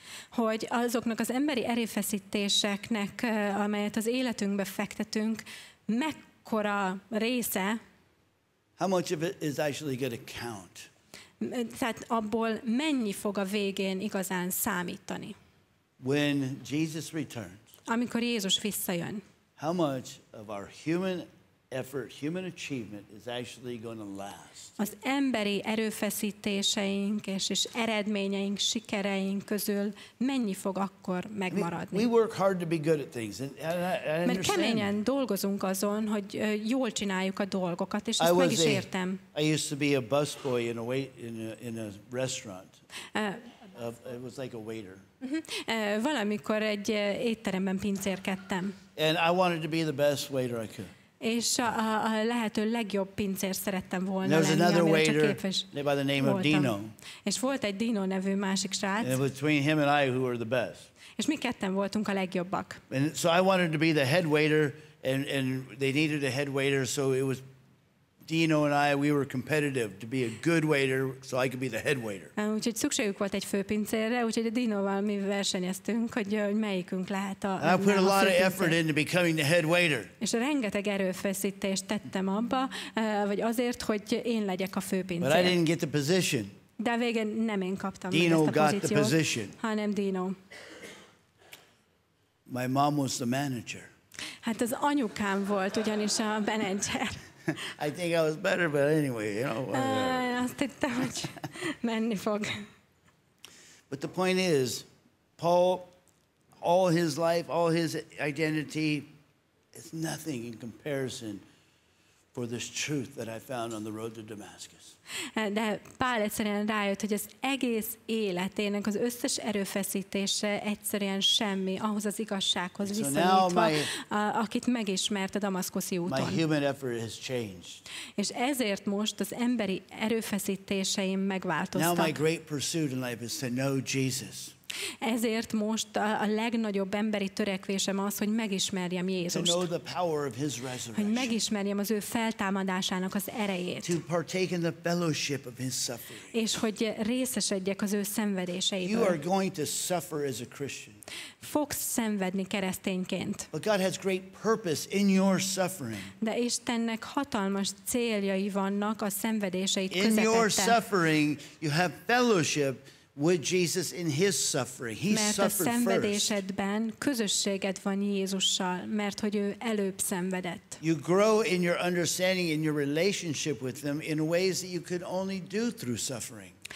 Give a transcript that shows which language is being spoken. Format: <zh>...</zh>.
<hu>Hogy azoknak az emberi erőfeszítéseknek, amelyet az életünkbe fektetünk, mekkora része?</hu> <en>How much of it is actually going to count?</en> <hu>Tehát abból mennyi fog a végén igazán számítani?</hu> <en>When Jesus returns.</en> <hu>Amikor Jézus visszajön.</hu> <en>how much of our human effort, human achievement is actually going to last.</en> <hu>Az emberi erőfeszítéseink és eredményeink, sikereink közül mennyi fog akkor megmaradni?</hu> <en>We work hard to be good at things, and I understand.</en> <hu>Mert keményen dolgozunk azon, hogy jól csináljuk a dolgokat, és ezt meg is értem.</hu> <en>I used to be a busboy in a restaurant. It was like a waiter.</en> <hu>Valamikor egy étteremben pincérkedtem.</hu> <en>And I wanted to be the best waiter I could.</en> <hu>És a lehető legjobb pincér szerettem volna lenni, amely csak képes</hu> <en>by the name of Dino.</en> <hu>És volt egy Dino nevű másik srác.</hu> <en>And it was between him and I who were the best.</en> <hu>És mi ketten voltunk a legjobbak.</hu> <en>And so I wanted to be the head waiter, and they needed a head waiter, so it was Dino and I, we were competitive to be a good waiter, so I could be the head waiter.</en> <hu>Úgyhogy szükségük volt egy főpincérre, úgyhogy a Dinoval mi versenyeztünk, hogy melyikünk lehet a főpincér.</hu> <en>I put a lot of effort into becoming the head waiter.</en> <hu>És rengeteg erőfeszítést tettem abba, vagy azért, hogy én legyek a főpincér.</hu> <en>But I didn't get the position.</en> <hu>De végén nem én kaptam Dino meg ezt a pozíciót, hanem Dino.</hu> <en>My mom was the manager.</en> <hu>Hát az anyukám volt ugyanis a menedzser.</hu> <en>I think I was better, but anyway, you know.</en> <hu>Azt hittem, hogy menni fog.</hu> <en>But the point is, Paul, all his life, all his identity, is nothing in comparison for this truth that I found on the road to Damascus.</en> <hu>De Pál egyszerűen rájött, hogy az egész életének az összes erőfeszítése egyszerűen semmi ahhoz az igazsághoz viszonyítva, akit megismert a damaszkuszi úton.</hu> <en>My human effort has changed.</en> <hu>És ezért most az emberi erőfeszítéseim megváltoztak.</hu> <en>Now my great pursuit in life is to know Jesus.</en> <hu>Ezért most a legnagyobb emberi törekvésem az, hogy megismerjem Jézust. Hogy megismerjem az ő feltámadásának az erejét.</hu> <en>To partake in the fellowship of his suffering.</en> <hu>És hogy részesedjek az ő szenvedéseiből.</hu> <en>You are going to suffer as a Christian.</en> <hu>Fogsz szenvedni keresztényként.</hu> <en>But God has great purpose in your suffering.</en> <hu>De Istennek hatalmas céljai vannak a szenvedéseid közepette.</hu> <en>In your suffering, you have fellowship with Jesus in his suffering. He suffered first.</en> <hu>Mert a szenvedésedben közösséged van Jézussal, mert hogy ő előbb szenvedett.</hu> <en>You grow in your understanding in your relationship with him in ways that you could only do through suffering.</en>